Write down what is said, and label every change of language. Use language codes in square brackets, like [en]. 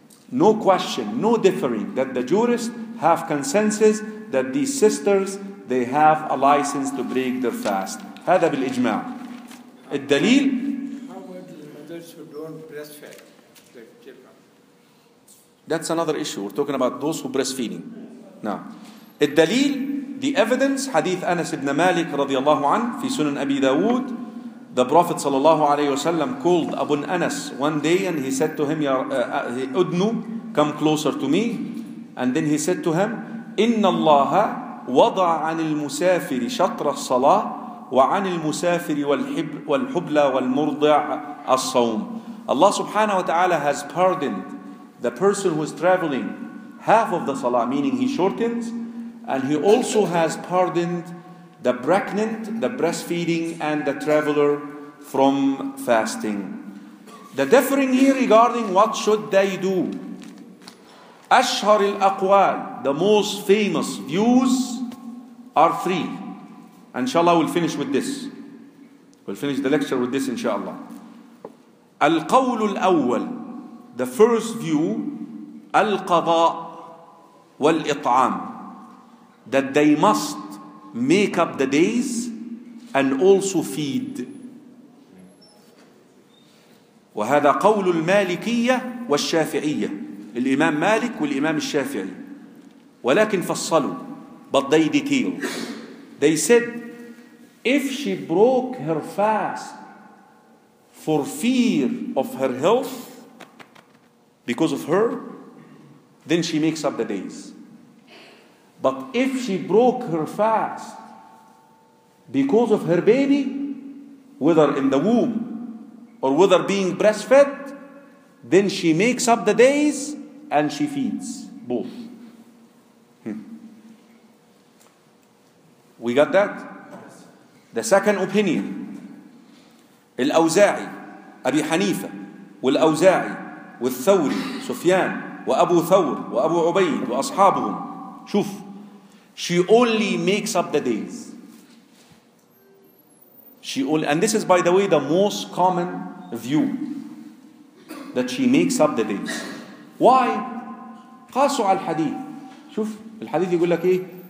[en] No question, no differing that the jurists have consensus that these sisters, they have a license to break their fast. [ar] هذا بالإجماع. الدليل. [en] How about the mothers who don't breastfeed their children? That's another issue. We're talking about those who breastfeeding. Now, [ar] الدليل, [en] the evidence, [ar] حديث أنس بن مالك رضي الله عنه في سنن أبي داود. [en] The Prophet صلى الله عليه وسلم called Abu Anas one day and he said to him, Udnu, come closer to me. And then he said to him, [ar] إِنَّ اللَّهَ وَضَعَ عَنِ الْمُسَافِرِ شَطْرَ الصَّلَاةِ وَعَنِ الْمُسَافِرِ وَالْحُبْلَى وَالْمُرْضِعَ الصَّوْمِ. [en] Allah subhanahu wa ta'ala has pardoned the person who is traveling half of the salah, meaning he shortens, and he also has pardoned the pregnant, the breastfeeding, and the traveler from fasting. The differing here regarding what should they do. Ashhar al-Aqwal, the most famous views are three. Inshallah, we'll finish with this. We'll finish the lecture with this, inshallah. Al-Qawl al-Awwal, the first view, al-Qadha wal-It'am, that they must make up the days and also feed. [ar] وهذا قول المالكية والشافعية. الإمام مالك والإمام الشافعي. ولكن فصلوا. [en] But they detailed. They said, if she broke her fast for fear of her health because of her, then she makes up the days. But if she broke her fast because of her baby, whether in the womb or whether being breastfed, then she makes up the days and she feeds both. We got that? The second opinion, [ar] الأوزاعي, أبي حنيفة والأوزاعي والثوري سفيان وأبو ثور وأبو عبيد وأصحابهم. شوف, [en] she only makes up the days. She only, and this is, by the way, the most common view, that she makes up the days. [ar] Why? قاسوا على الحديث. شوف الحديث يقول لك إيه.